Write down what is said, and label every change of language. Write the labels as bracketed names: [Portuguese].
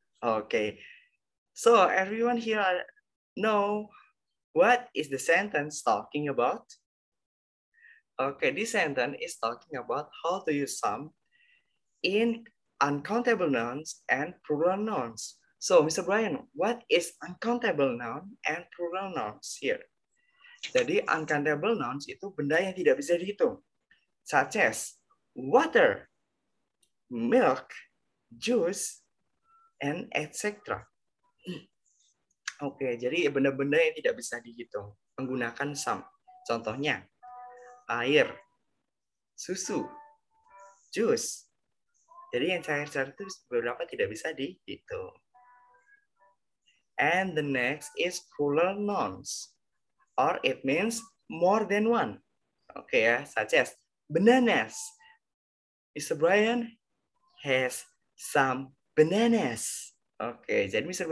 [English] Okay, so everyone here know what is the sentence talking about? Okay, this sentence is talking about how to use some in uncountable nouns and plural nouns. So, Mr. Brian, what is uncountable noun and plural nouns here? [Indonesian] Jadi, uncountable nouns itu benda yang tidak bisa dihitung. [English] Such as, water, milk, juice, and etc. [Indonesian] Okay, jadi benda-benda yang tidak bisa dihitung. Menggunakan some. Contohnya, air, susu, juice. Jadi, yang cair-cair itu beberapa tidak bisa dihitung. [English] And the next is plural nouns, or it means more than one. Okay, yeah, such as bananas. Mr. Brian has some bananas. Okay, jadi Mr.